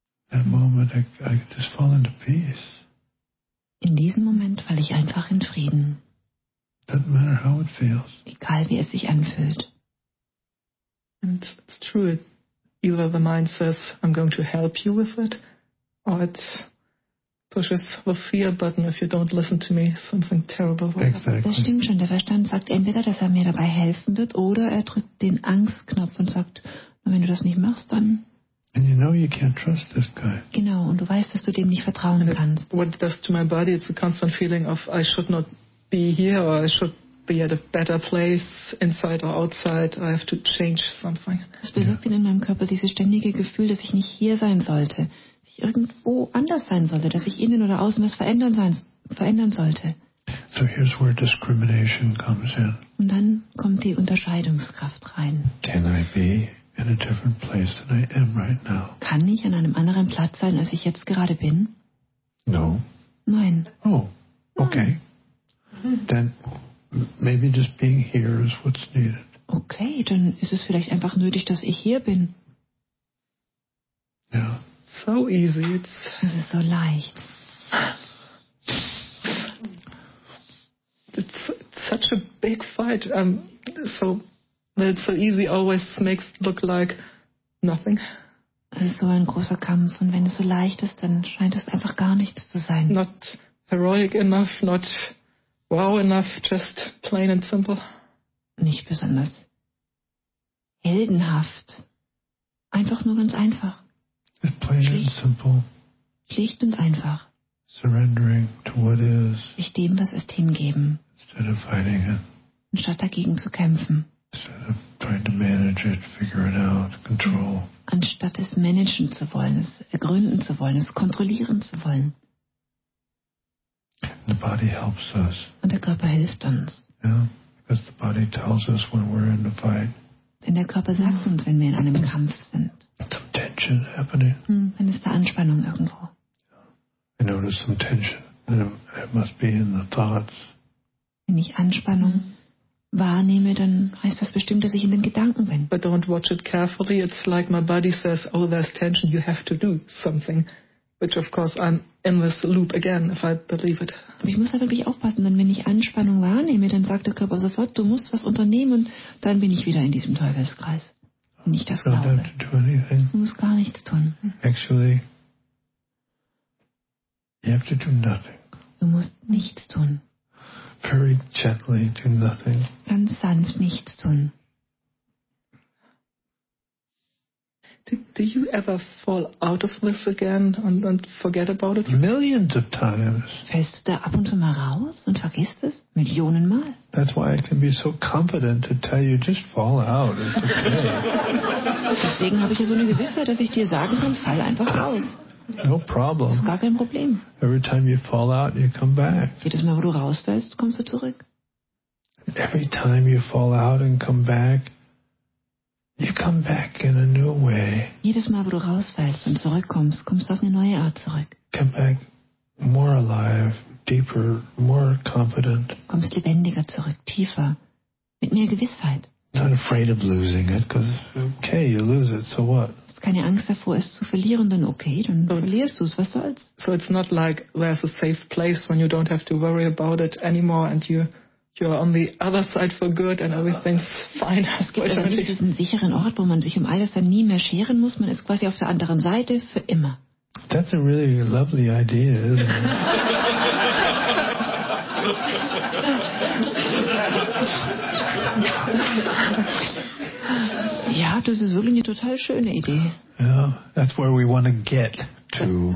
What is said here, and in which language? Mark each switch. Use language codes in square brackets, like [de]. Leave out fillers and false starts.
[en] That moment, I just fall into peace. [de] In diesem Moment falle ich einfach in Frieden. [en] Doesn't matter how it feels. [de] Egal wie es sich anfühlt. [en] And it's true, either the mind says, I'm going to help you with it, or it pushes the fear button, if you don't listen to me, something terrible will happen. Exactly. [de] Das stimmt schon, der Verstand sagt entweder, dass er mir dabei helfen wird, oder er drückt den Angstknopf und sagt, wenn du das nicht machst, dann... [en] And you know you can't trust this guy. [de] Genau, und du weißt, dass du dem nicht vertrauen kannst. [en] What it does to my body, it's a constant feeling of I should not be here or I should be at a better place inside or outside. I have to change something. [de] Es bewirkt in meinem Körper dieses ständige Gefühl, dass ich nicht hier sein sollte, dass ich irgendwo anders sein sollte, dass ich innen oder außen was verändern sollte. [en] So here's where discrimination comes in. [de] Und dann kommt die Unterscheidungskraft rein. [en] Can I be in a different place than I am right now? [de] Kann ich an einem anderen Platz sein, als ich jetzt gerade bin? [en] No. [de] Nein. Oh, okay. Nein. [en] Then maybe just being here is what's needed. [de] Okay, dann ist es vielleicht einfach nötig, dass ich hier bin. [en] Yeah. So easy. It's. [de] Es ist so leicht. [en] It's such a big fight. So. That it's so easy always makes it look like nothing. [de] Es ist so ein großer Kampf und wenn es so leicht ist, dann scheint es einfach gar nichts zu sein. [en] Not heroic enough, not wow enough, just plain and simple. [de] Nicht besonders heldenhaft. Einfach nur ganz einfach. [en] It's plain schlicht and simple. [de] Schlicht und einfach. [en] Surrendering to what is. [de] Sich dem, was ist, hingeben. [en] Instead of fighting it. [de] Anstatt dagegen zu kämpfen. [en] Instead of trying to manage it, figure it out, control. [de] Anstatt es managen zu wollen, es ergründen zu wollen, es kontrollieren zu wollen. [en] The body helps us. [de] Und der Körper hilft uns. [en] Yeah, because the body tells us when we're in a fight. [de] Denn der Körper sagt uns, wenn wir in einem Kampf sind. [en] Some tension happening. [de] Dann ist da Anspannung irgendwo. [en] I notice some tension. It must be in the thoughts. [de] Wenn ich Anspannung wahrnehme, dann heißt das bestimmt, dass ich in den Gedanken bin. [en] But don't watch it carefully. It's like my body says, oh, there's tension, you have to do something. Which of course I'm in this loop again, if I believe it. [de] Ich muss da wirklich aufpassen, denn wenn ich Anspannung wahrnehme, dann sagt der Körper sofort, du musst was unternehmen, dann bin ich wieder in diesem Teufelskreis. Wenn ich das glaube. [en] Don't have to do anything. [de] Du musst gar nichts tun. [en] Actually, you have to do nothing. [de] Du musst nichts tun. [en] Very gently, do nothing. [de] Ganz sanft nichts tun. [en] Do you ever fall out of this again and forget about it? Millions of times. [de] Fällst du da ab und zu mal raus und vergisst es? Millionen mal. [en] That's why I can be so confident to tell you, just fall out. It's okay. [de] Deswegen habe ich ja so eine Gewissheit, dass ich dir sagen kann, fall einfach raus. No problem. Das ist gar kein Problem. [en] Every time you fall out, you come back. [de] Jedes Mal, wo du rausfällst, kommst du zurück. [en] Every time you fall out and come back, you come back in a new way. [de] Jedes Mal, wo du rausfällst und zurückkommst, kommst du auf eine neue Art zurück. [en] Come back more alive, deeper, more confident. [de] Kommst lebendiger zurück, tiefer, mit mehr Gewissheit. [en] Not afraid of losing it, because okay, you lose it, so what? [de] Hast keine Angst davor, es zu verlieren, dann okay, dann verlierst du es, was soll's? [en] So it's not like there's a safe place when you don't have to worry about it anymore and you're on the other side for good and everything's fine. [de] Es gibt also nicht diesen sicheren Ort, wo man sich um alles dann nie mehr scheren muss. Man ist quasi auf der anderen Seite für immer. [en] That's a really lovely idea, isn't it? [de] Ja, das ist wirklich eine total schöne Idee. [en] Yeah, that's where we want to get to.